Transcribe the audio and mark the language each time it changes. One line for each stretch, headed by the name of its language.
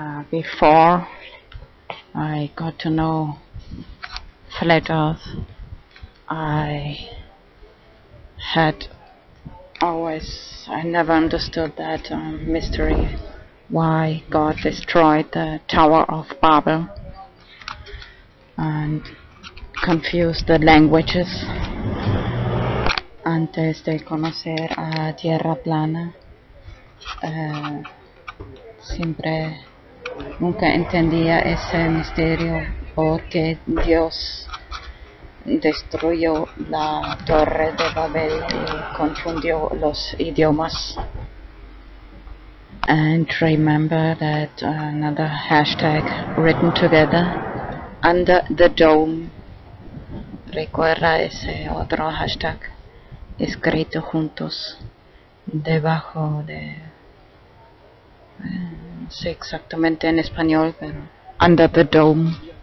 English: Before I got to know Flat Earth, I had always, I never understood that mystery, why God destroyed the Tower of Babel and confused the languages.
Spanish: Antes de conocer a Tierra Plana, siempre nunca entendía ese misterio porque Dios destruyó la Torre de Babel y confundió los idiomas.
English: And remember that another hashtag written together, Under the Dome.
Spanish: Recuerda ese otro hashtag, escrito juntos debajo de, no sé exactamente en español, pero
English: under the dome.